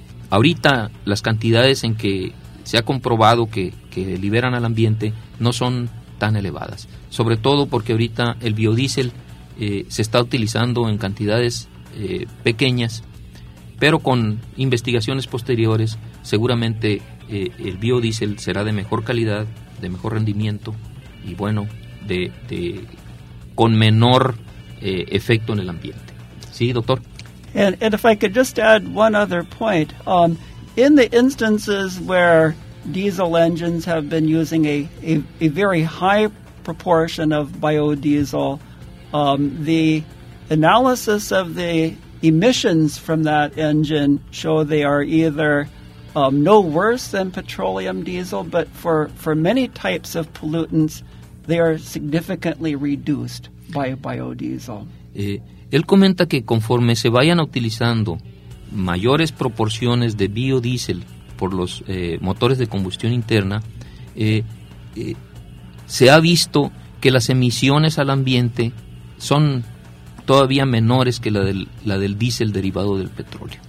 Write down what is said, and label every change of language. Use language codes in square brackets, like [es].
[es] ahorita las cantidades en que se ha comprobado que liberan al ambiente no son tan elevadas, sobre todo porque ahorita el biodiesel se está utilizando en cantidades pequeñas, pero con investigaciones posteriores seguramente el biodiesel será de mejor calidad, de mejor rendimiento y bueno, de con menor efecto en el ambiente. ¿Sí, doctor? [en] And if I could just add one other point. In the instances where diesel engines have been using a very high proportion of biodiesel, the analysis of the emissions from that engine show they are either no worse than petroleum diesel, but for many types of pollutants, they are significantly reduced by biodiesel. [es] Él comenta que conforme se vayan utilizando mayores proporciones de biodiesel por los motores de combustión interna, se ha visto que las emisiones al ambiente son todavía menores que la del diésel derivado del petróleo.